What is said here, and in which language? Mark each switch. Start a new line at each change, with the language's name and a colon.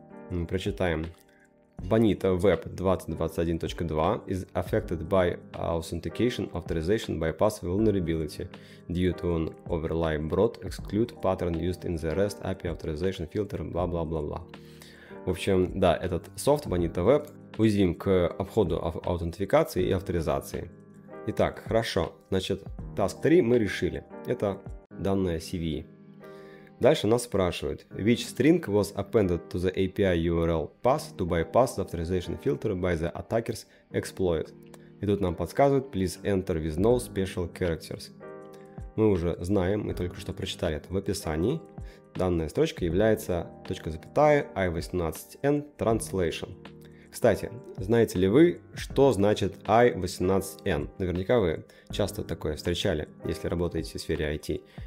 Russian: Мы прочитаем.
English: Bonita Web 2021.2 is affected by authentication authorization bypass vulnerability due to an overlay broad exclude pattern used in the REST API authorization filter, бла-бла-бла-бла.
Russian: В общем, да, этот софт Bonita Web уязвим к обходу аутентификации и авторизации. Итак, хорошо, значит, task 3 мы решили. Это данная CVE. Дальше нас спрашивают,
English: which string was appended to the API URL path to bypass the authorization filter by the attacker's exploit.
Russian: И тут нам подсказывают,
English: please enter with no special characters.
Russian: Мы уже знаем, мы только что прочитали это в описании. Данная строчка является точка запятая I18N translation. Кстати, знаете ли вы, что значит I18N? Наверняка вы часто такое встречали, если работаете в сфере IT.